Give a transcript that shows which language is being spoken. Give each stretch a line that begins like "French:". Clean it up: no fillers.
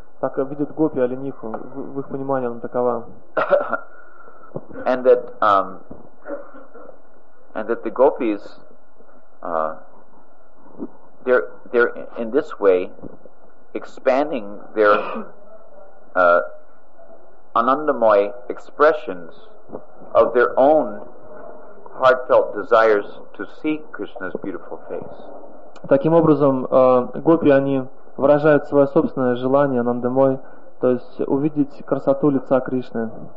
Russian: Так видят гопи олениху, в их понимании она такова.
English: And that, the gopis, they're in this way expanding their anandamoy expressions of their own heartfelt desires to see Krishna's beautiful face.
Russian: Таким образом, гопи они выражают свое собственное желание анандамой, то есть увидеть красоту лица Кришны.